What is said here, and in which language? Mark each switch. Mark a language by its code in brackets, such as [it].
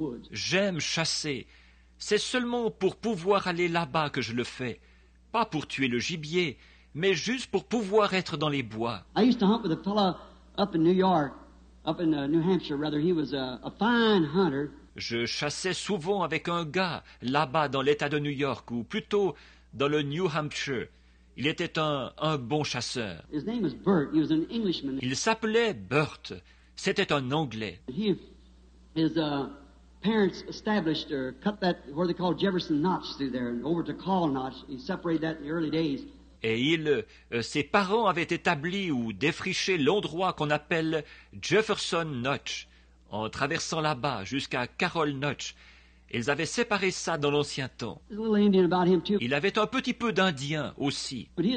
[fr] J'aime chasser. C'est seulement pour pouvoir aller là-bas que je le fais. Pas pour tuer le gibier. Mais juste pour pouvoir être dans les bois. [en] I used to hunt with a fellow up in New York, up in New Hampshire, rather. He was a fine hunter. [fr] Je chassais souvent avec un gars là-bas dans l'État de New York, ou plutôt dans le New Hampshire. Il était un bon chasseur. [en] His name was Bert. He was an Englishman. [fr] Il s'appelait Bert. C'était un Anglais. [en] His parents established or cut that what they call Jefferson Notch through there, and over to Call Notch. He separated that in the early days. [fr] Et ses parents avaient établi ou défriché l'endroit qu'on appelle Jefferson Notch, en traversant là-bas jusqu'à Carroll Notch. Ils avaient séparé ça dans l'ancien temps. Il avait un petit peu d'Indien aussi.